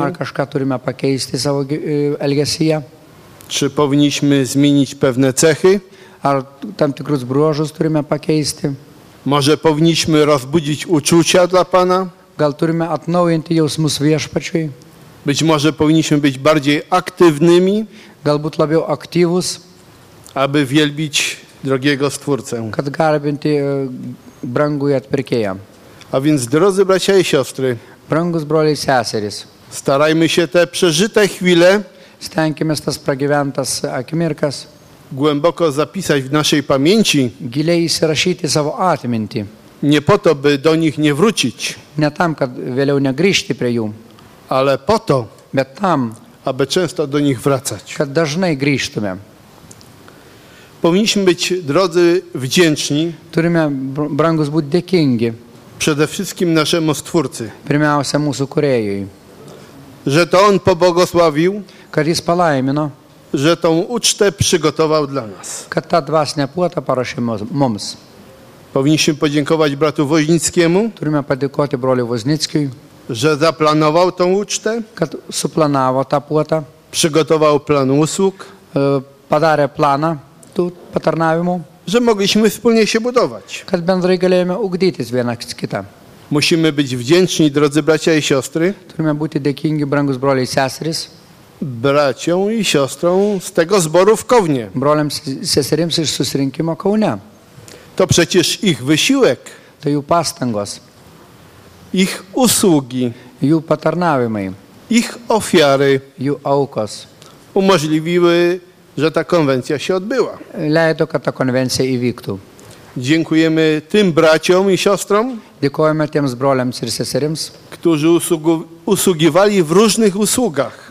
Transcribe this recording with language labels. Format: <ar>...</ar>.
<lt>Ar kažką turime pakeisti savo elgesyje?</lt> <pl>Czy powinniśmy zmienić pewne cechy?</pl> <lt>Ar tam tikrus bruožus turime pakeisti?</lt> <pl>Może powinniśmy rozbudzić uczucia dla Pana?</pl> <lt>Gal turime atnaujinti jausmus Viešpačiui?</lt> <pl>Być może powinniśmy być bardziej aktywnymi.</pl> <lt>Galbūt labiau aktyvus.</lt> <pl>Aby wielbić drogiego Stwórcę.</pl> <lt>Kad garbinti brangųjį atpirkėją.</lt> <pl>A więc, drodzy bracia i siostry.</pl> <lt>Brangūs broliai ir seserys.</lt> <pl>Starajmy się te przeżyte chwile.</pl> <lt>Stenkimės tas pragyventas akimirkas.</lt> <pl>Głęboko zapisać w naszej pamięci.</pl> <lt>Giliai įsirašyti savo atmintį.</lt> <pl>Nie po to, by do nich nie wrócić.</pl> <lt>Ne tam, kad vėliau negrįžti prie jų.</lt> <pl>Ale po to,</pl> <lt>bet tam,</lt> <pl>aby często do nich wracać.</pl> <lt>Kad dažnai grįžtume.</lt> <pl>Powinniśmy być, drodzy, wdzięczni.</pl> <lt>Turime, brangus, būti dėkingi.</lt> <pl>Przede wszystkim naszemu Stwórcy.</pl> <lt>Pirmiausia mūsų kūrėjui.</lt> <pl>Że to On pobłogosławił.</pl> <lt>Kad jis palaimino.</lt> <pl>Że tą ucztę przygotował dla nas.</pl> <lt>Kad ta dvasinė puota paruošė mums.</lt> <pl>Powinniśmy podziękować bratu Woźnickiemu.</pl> <lt>Turime padėkoti broliui Woźnickiui.</lt> <pl>że zaplanował tą ucztę,</pl> <lt>kad suplanavo tą puotą,</lt> <pl>przygotował plan usług,</pl> <lt>padarė planą tu patarnavimu,</lt> <pl>że mogliśmy wspólnie się budować,</pl> <lt>kad bendrai galėjome ugdytis vienas kitą.</lt> <pl>Musimy być wdzięczni, drodzy bracia i siostry,</pl> <lt>turime būti dėkingi, brangus broliai i seserys,</lt> <pl>braciom i siostrom z tego zboru w Kownie,</pl> <lt>broliams seserims iš susirinkimo Kaune.</lt> <pl>To przecież ich wysiłek,</pl> <lt>to jų pastangos,</lt> <pl>ich usługi,</pl> <lt>jų patarnavimai,</lt> <pl>ich ofiary,</pl> <lt>jų aukos,</lt> <pl>umożliwiły, że ta konwencja się odbyła,</pl> <lt>leido, kad ta konvencija įvyktų.</lt> <pl>Dziękujemy tym braciom i siostrom,</pl> <lt>dėkojame tiems broliams ir seserims,</lt> <pl>którzy usługiwali w różnych usługach,</pl>